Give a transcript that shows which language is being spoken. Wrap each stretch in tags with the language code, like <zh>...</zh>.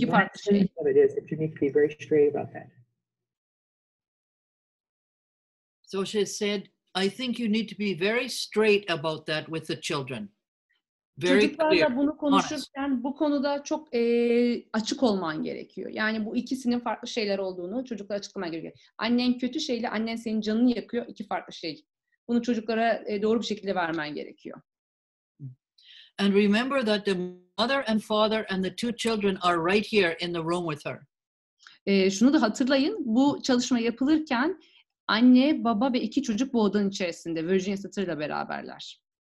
<en>what it is, that you need to be very straight about that. So she said, I think you need to be very straight about that with the children. Very clear.</en> <tr>Çocuklarla bunu konuşurken bu konuda çok açık olman gerekiyor. Yani bu ikisinin farklı şeyler olduğunu çocuklara açıklaman gerekiyor. Annen kötü şeyle annen senin canını yakıyor. İki farklı şey. Bunu çocuklara doğru bir şekilde vermen gerekiyor.</tr> <en>And remember that the mother and father and the two children are right here in the room with her.</en> <tr>Şunu da hatırlayın. Bu çalışma yapılırken anne, baba ve iki çocuk bu odanın içerisinde Virginia Satır'la beraberler.</tr>